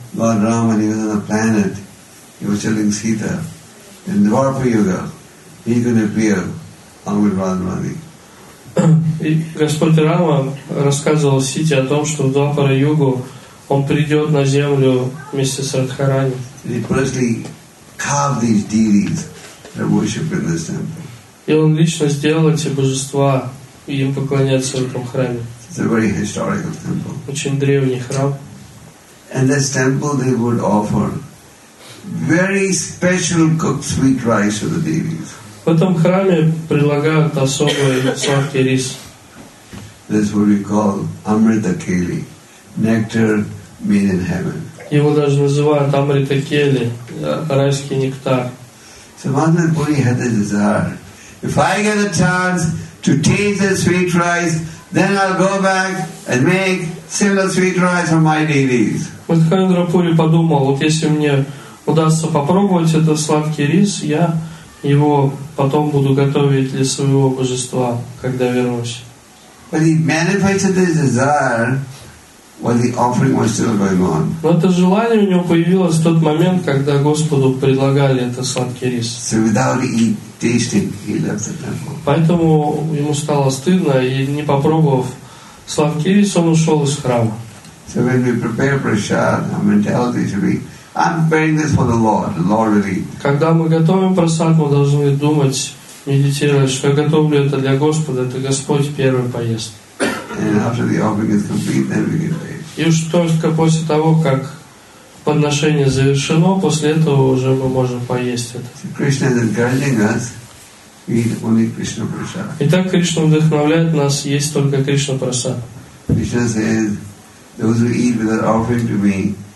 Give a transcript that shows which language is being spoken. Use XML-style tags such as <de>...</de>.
<en>Lord Rama, he was on the planet. He was telling Sita, in Dwarpa Yuga, he's going to appear along with Radharani.</en> <ru>Господь Рама рассказывал Сите о том, что в Двапара Югу он придет на землю вместе с Радхарани.</ru> <en>He personally carved these deities that worship in this temple.</en> <ru>И он лично сделал эти божества и им поклоняться в этом храме.</ru> <en>It's a very historical temple.</en> <ru>Очень древний храм.</ru> <en>And this temple they would offer very special cooked sweet rice to the deities.</en> <ru>В этом храме предлагают особый сладкий рис.</ru> <en>This would be called Amrita Keli, nectar made in heaven.</en> <ru>Его даже называют Амрита Кели, райский нектар.</ru> <en>So Madhavendra Puri had a desire. If I get a chance to taste the sweet rice, then I'll go back and make similar sweet rice for my deities.</en> <ru>Мадхавендра Пури подумал, вот если мне удастся попробовать этот сладкий рис, я его потом буду готовить для своего божества, когда вернусь.</ru> <en>But he manifested his desire when the offering was still going on.</en> <ru>Но это желание у него появилось в тот момент, когда Господу предлагали этот сладкий рис.</ru> <en>So without tasting, he left the temple.</en> <ru>Поэтому ему стало стыдно, и не попробовав сладкий рис, он ушел из храма.</ru> <en>So when we prepare prasad, our mentality should be, I'm preparing this for the Lord. The Lord will eat.</en> <ru>Когда мы готовим просад, мы должны думать, медитировать, что я готовлю это для Господа, это Господь первый поест.</ru> <en>And after the offering is complete, then we can pay.</en> <ru>И уж только после того, как подношение завершено, после этого уже мы можем поесть это.</ru> <en>So Krishna is encouraging us eat only Krishna prasad.</en> <ru>Итак, Кришна вдохновляет нас есть только Кришна прасад.</ru> <en>Krishna says, those who eat without offering to me.</en>